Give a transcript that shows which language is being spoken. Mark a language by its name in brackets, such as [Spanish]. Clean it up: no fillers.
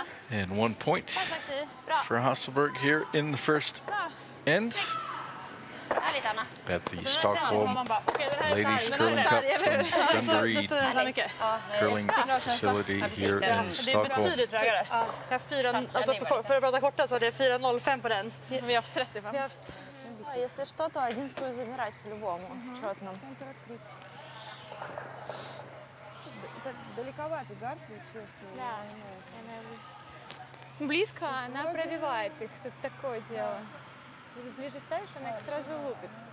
[English] And 1 point for Hasselborg here in the first end at the Stockholm Ladies Curling Cup from Dundee Curling Facility here in Stockholm. [Swedish] Jag har 4, alltså för att prata korta så det är 4.05 på den. Vi har haft 35. Vi har haft. [Russian] Ja, если что, то один свой забирать по-любому. Четном. Далековато, да? Близко, она пробивает их, тут такое дело. Или ближе ставишь, она их сразу лупит.